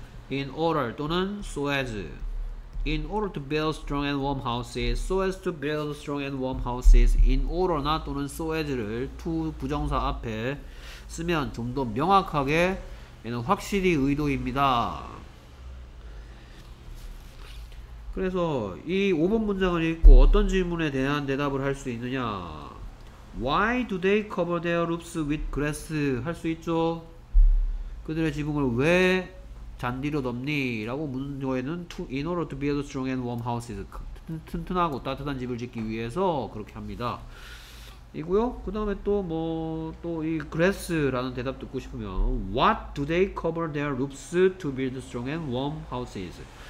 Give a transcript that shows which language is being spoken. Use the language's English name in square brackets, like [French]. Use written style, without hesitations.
[English] In order 또는 so as. In order to build strong and warm houses, so as to build strong and warm houses, in order나 또는 so as를 to [Korean] 부정사 앞에 쓰면 좀 더 명확하게 얘는 확실히 의도입니다. 그래서 이 5번 문장을 읽고 어떤 질문에 대한 대답을 할 수 있느냐. [English] Why do they cover their roofs with grass? [Korean] 할 수 있죠. 그들의 지붕을 왜 잔디로 덮니? 라고 묻는 거에는 [English] in order to build strong and warm houses, [Korean] 튼튼하고 따뜻한 집을 짓기 위해서 그렇게 합니다 이고요. 그 다음에 또 뭐 또 이 grass라는 대답 듣고 싶으면 [English] what do they cover their roofs to build strong and warm houses?